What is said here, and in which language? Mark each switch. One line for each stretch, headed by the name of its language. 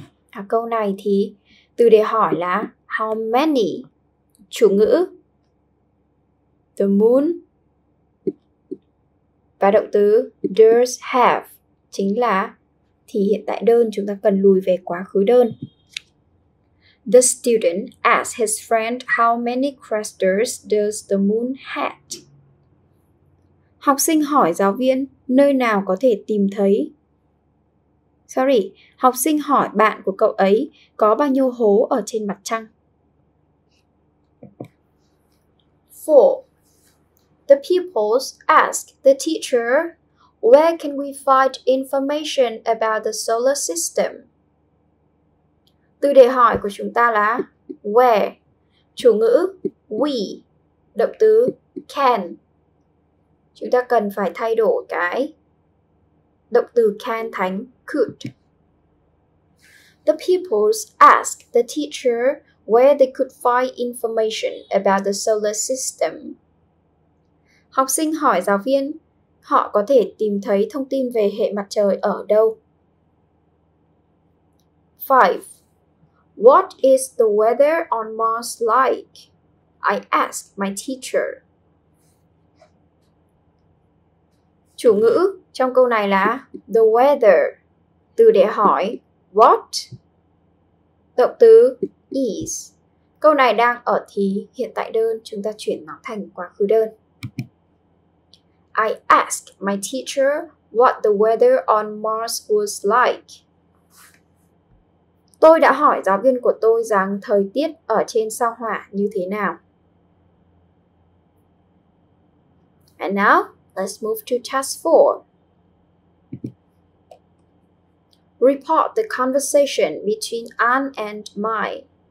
Vietnamese: À, câu này thì từ để hỏi là
English: how many,
Vietnamese: chủ ngữ,
English: the moon,
Vietnamese: và động từ
English: does have
Vietnamese: chính là thì hiện tại đơn, chúng ta cần lùi về quá khứ đơn.
English: The student asked his friend how many craters does the moon have?
Vietnamese: Học sinh hỏi giáo viên nơi nào có thể tìm thấy. Sorry, học sinh hỏi bạn của cậu ấy có bao nhiêu hố ở trên mặt trăng.
English: 4. The pupils ask the teacher, where can we find information about the solar system?
Vietnamese: Từ để hỏi của chúng ta là where, chủ ngữ we, động từ can. Chúng ta cần phải thay đổi cái động từ can thành could.
English: The pupils ask the teacher where they could find information about the solar system.
Vietnamese: Học sinh hỏi giáo viên họ có thể tìm thấy thông tin về hệ mặt trời ở đâu.
English: 5. What is the weather on Mars like? I ask my teacher.
Vietnamese: Chủ ngữ trong câu này là
English: the weather.
Vietnamese: Từ để hỏi what? Động từ is. Câu này đang ở thì hiện tại đơn, chúng ta chuyển nó thành quá khứ đơn.
English: I asked my teacher what the weather on Mars was like.
Vietnamese: Tôi đã hỏi giáo viên của tôi rằng thời tiết ở trên sao Hỏa như thế nào.
English: And now, let's move to task 4. Report the conversation between Anne and Mai.